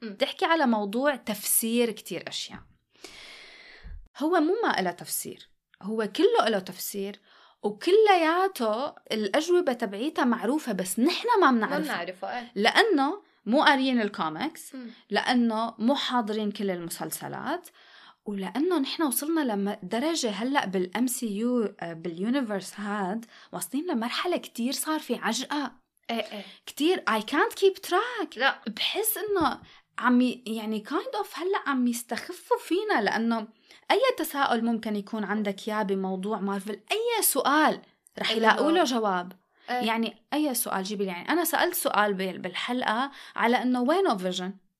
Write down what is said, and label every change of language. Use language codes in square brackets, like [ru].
[ar] تحكي على موضوع تفسير كتير أشياء. هو مو ما إلى تفسير، هو كله إلى تفسير، وكلياته الأجوبة تبعيتها معروفة بس نحنا ما بنعرفها لأنه مو قارين الكوميكس، لأنه مو حاضرين كل المسلسلات، ولأنه نحنا وصلنا لدرجة هلأ بالMCU باليونيفرس هاد وصلين لمرحلة كتير صار في عجقة. كتير [en] I can't keep track. [ar] لا. بحس إنه عم يعني [en] kind of [ar] هلأ عم يستخفوا فينا، لأنه أي تساؤل ممكن يكون عندك يا بموضوع مارفل، أي سؤال رح يلاقوا له جواب. يعني أي سؤال جيبي، يعني أنا سألت سؤال بالحلقة على إنه وين أوف فيجن،